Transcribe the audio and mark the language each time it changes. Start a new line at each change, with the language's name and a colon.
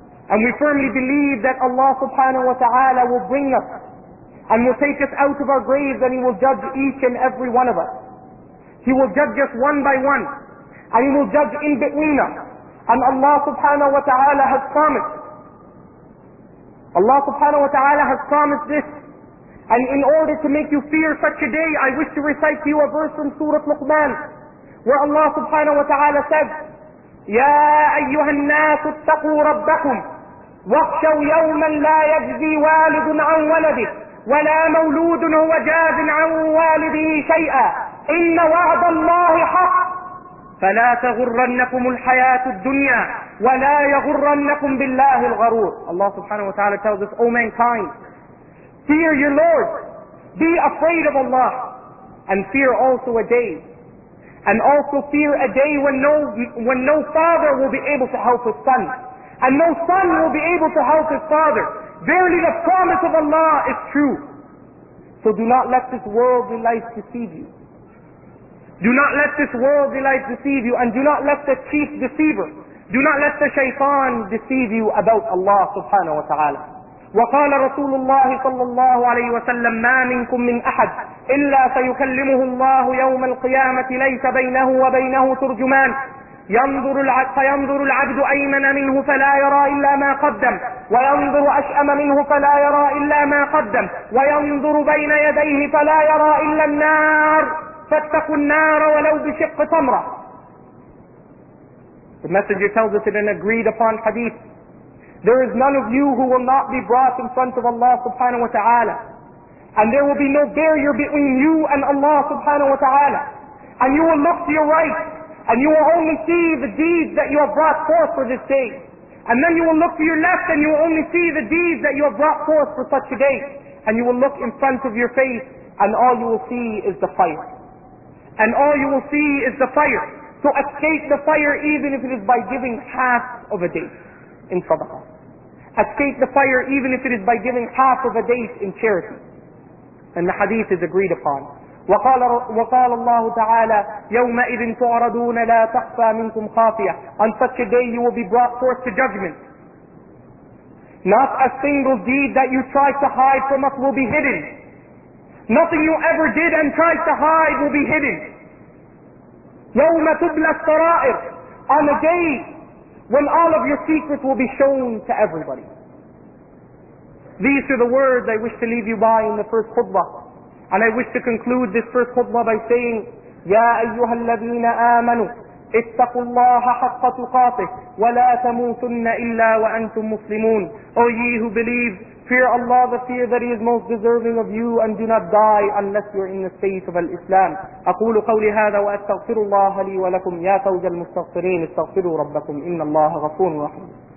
English: And we firmly believe that Allah subhanahu wa ta'ala will bring us and will take us out of our graves, and He will judge each and every one of us. He will judge us one by one, and He will judge in between us. And Allah subhanahu wa ta'ala has promised. Allah subhanahu wa ta'ala has promised this. And in order to make you fear such a day, I wish to recite to you a verse from Surah Luqman, where Allah subhanahu wa ta'ala said,
Arabic: يَا أَيُّهَا النَّاسُ اتَّقُوا رَبَّكُمْ وَاخْشَوْا يَوْمًا لَا يَجْزِي وَالِدٌ عَنْ وَلَدِهِ ولا مولود هو جاز عن والده شيئا إن وعد الله حق فلا تغرنكم الحياة الدنيا ولا يغرنكم بالله الغرور.
English: Allah subhanahu wa ta'ala tells us, O mankind, fear your Lord, be afraid of Allah, and fear also a day, and also fear a day when no father will be able to help his son, and no son will be able to help his father. Verily the promise of Allah is true. So do not let this worldly life deceive you. Do not let this worldly life deceive you, and do not let the chief deceiver, do not let the shaitan deceive you about Allah subhanahu wa ta'ala.
Arabic: وَقَالَ رَسُولُ اللَّهِ صَلَّى اللَّهُ عَلَيْهِ وَسَلَّمْ مَا مِنْكُمْ مِنْ أَحَدٍ إِلَّا سَيُكَلِّمُهُ اللَّهُ يَوْمَ الْقِيَامَةِ لَيْسَ بَيْنَهُ وَبَيْنَهُ تُرْجُمَانٌ فينظر العبد أيمن منه فلا يرى إلا ما قدم، وينظر أشأم منه فلا يرى إلا ما قدم، وينظر بين يديه فلا يرى إلا النار، فاتقوا النار ولو بشق تمرة.
English: The messenger tells us in an agreed upon hadith, there is none of you who will not be brought in front of Allah subhanahu wa ta'ala, and there will be no barrier between you and Allah subhanahu wa ta'ala, and you will look to your right, and you will only see the deeds that you have brought forth for this day. And then you will look to your left, and you will only see the deeds that you have brought forth for such a day. And you will look in front of your face, and all you will see is the fire. And all you will see is the fire. So escape the fire, even if it is by giving half of a day in sadaqah. Escape the fire, even if it is by giving half of a day in charity. And the hadith is agreed upon.
Arabic: وقال الله تعالى يومئذ تعرضون لا تخفى منكم خافية.
English: On such a day you will be brought forth to judgment. Not a single deed that you tried to hide from us will be hidden. Nothing you ever did and tried to hide will be hidden.
Arabic: يَوْمَ تُبْلَى السَّرَائِرِ.
English: On a day when all of your secrets will be shown to everybody. These are the words I wish to leave you by in the first khutbah. And I wish to conclude this first khutbah by saying,
Arabic: يَا أَيُّهَا الَّذِينَ آمَنُوا اتقوا الله حق تقاته ولا تموتن الا وانتم مسلمون.
English: O ye who believe, fear Allah, the fear that He is most deserving of you, and do not die unless you're in the state of Islam.
Arabic: اقول قولي هذا واستغفر الله لي ولكم. يا فوج المستغفرين استغفروا ربكم ان الله غفور رحيم.